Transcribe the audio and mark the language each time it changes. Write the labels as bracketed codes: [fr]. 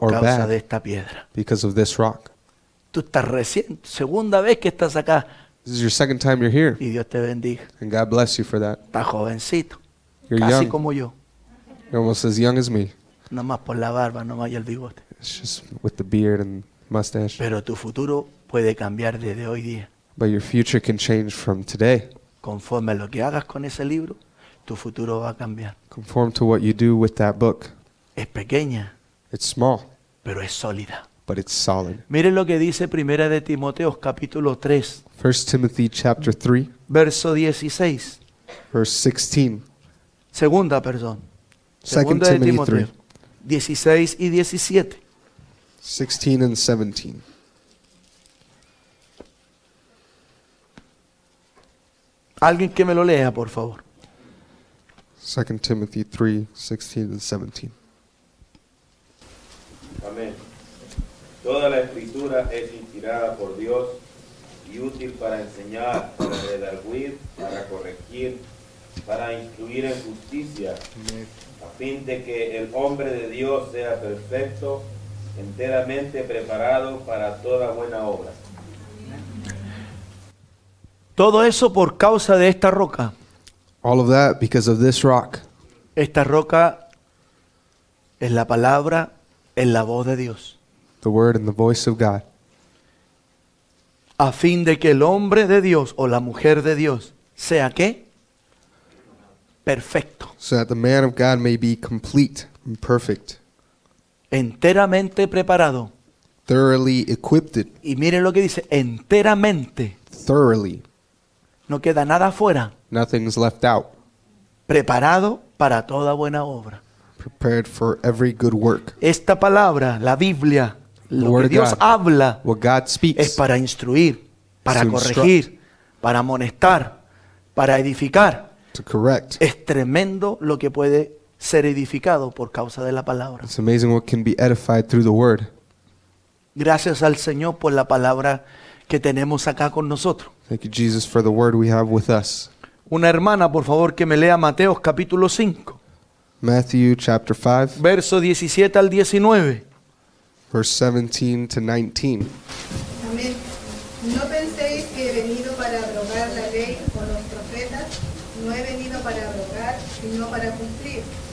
[es] Por causa de esta piedra. [en] Because of this rock. [es] Tú estás recién, segunda vez que estás acá. [en] This is your second time you're here. [es] Y Dios te bendiga. [en] And God bless you for that. [es] Estás jovencito. [en] You're [es] casi [en] young. [es] Como yo. [en] You're almost as young as me. [es] No más por la barba, no más y el bigote. [en] It's just with the beard and mustache. [es] Pero tu futuro puede cambiar desde hoy día. [en] But your future can change from today. [es] Conforme a lo que hagas con ese libro, tu futuro va a cambiar. [en] Conform to what you do with that book. [es] Es pequeña. [en] It's small. [es] Pero es sólida. [en] But it's solid. [es] Miren lo que dice Primera de Timoteo capítulo 3. [en] 1 Timothy chapter 3. [es] Verso 16. [en] Verse 16. [es] Segunda, perdón. Segunda de Timoteo. 16 y 17. [en] 16 and 17. [es] Alguien que me lo lea, por favor. [en] 2 Timothy 3, 16 and 17. [es] Amén. Toda la escritura es inspirada por Dios y útil para enseñar, para redarguir, para corregir, para instruir en justicia, a fin de que el hombre de Dios sea perfecto, enteramente preparado para toda buena obra. Todo eso por causa de esta roca. [en] All of that because of this rock. [es] Esta roca es la palabra, es la voz de Dios. [en] The word and the voice of God. [es] A fin de que el hombre de Dios o la mujer de Dios sea ¿qué? Perfecto. [en] So that the man of God may be complete and perfect. [es] Enteramente preparado. [en] Thoroughly equipped. [es] Y miren lo que dice, enteramente. [en] Thoroughly. [es] No queda nada fuera. [en] Nothing's left out. [es] Preparado para toda buena obra. [en] Prepared for every good work. [es] Esta palabra, la Biblia, lo que Dios habla, [en] what God speaks, [es] es para instruir, para corregir, para amonestar, para edificar. [en] To correct. [es] Es tremendo lo que puede ser edificado por causa de la palabra. [en] It's amazing what can be edified through the word. [es] Gracias al Señor por la palabra que tenemos acá con nosotros. [en] Thank you, Jesus, for the word we have with us. [es] Una hermana, por favor, que me lea Mateo capítulo 5. [en] Matthew chapter 5. [es] Verso 17 al 19. [en] Verse 17 to 19. [es] Amén. No penséis que he venido para abrogar la ley o los profetas. No he venido para abrogar, sino para cumplir.